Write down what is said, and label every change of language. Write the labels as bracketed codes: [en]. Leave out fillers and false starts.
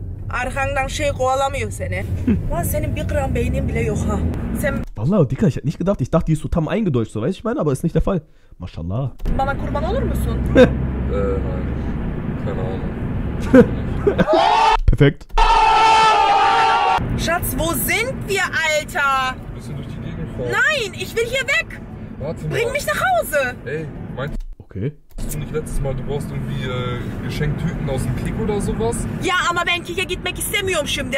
[tr] Arkandan şey kovalamıyor seni. Lan senin bir gram beynin bile yok ha. Sen... [de] Vallahi Dika, ich hätte nicht gedacht, ich dachte, die ist so tam eingedeutscht, so weiß ich meine, aber ist nicht der Fall. [tr] Maşallah. Bana kurban olur musun? [de] nein. Keine Ahnung. Perfekt. Schatz, wo sind wir, Alter? Bisschen durch die Gegend fahren. Nein, ich will hier weg. Warte. Bring mich nach Hause. Ey, meinst du? Okay. Hast du nicht letztes Mal, du brauchst irgendwie Geschenktüten aus dem Kick oder sowas? Ja, aber [tr] ben Kick'e gitmek istemiyorum şimdi.